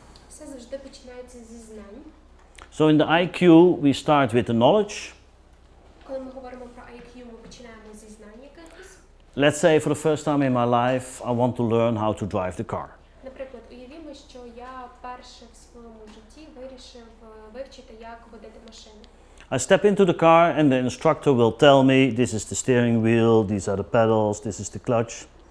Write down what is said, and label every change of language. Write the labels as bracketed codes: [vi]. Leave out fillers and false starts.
[uk] Все завжди починається зі знань. [en] So in the IQ we start with the knowledge. [uk] Коли ми говоримо про IQ, ми починаємо зі знань якихось. [en] Let's say for the first time in my life I want to learn how to drive the car. [uk] Наприклад, уявімо, що я вперше в своєму житті вирішив вивчити, як водити машину. [en] I step into the car and the instructor will tell me this is the steering wheel, these are the pedals, this is the clutch.